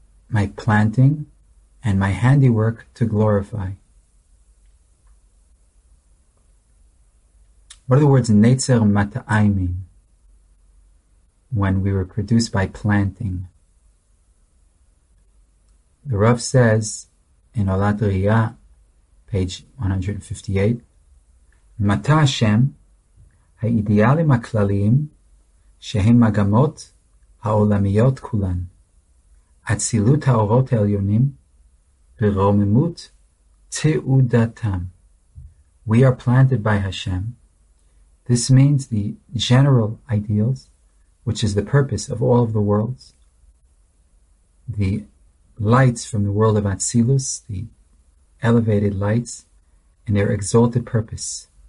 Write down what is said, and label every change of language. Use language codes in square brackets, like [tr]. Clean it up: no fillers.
[en] My planting and my handiwork to glorify. What do the words netzer mata'ai mean? When we were produced by planting. The Rav says in Olat Riyah, page 158, [he] Mata Hashem, האידיאלים הכלליים שהם מגמות העולמיות כולן, אצילות האורות העליונים ורוממות תעודתם. [en] We are planted by Hashem. This means the general ideals, which is the purpose of all of the worlds, the lights from the world of Atzilus, the elevated lights, and their exalted purpose.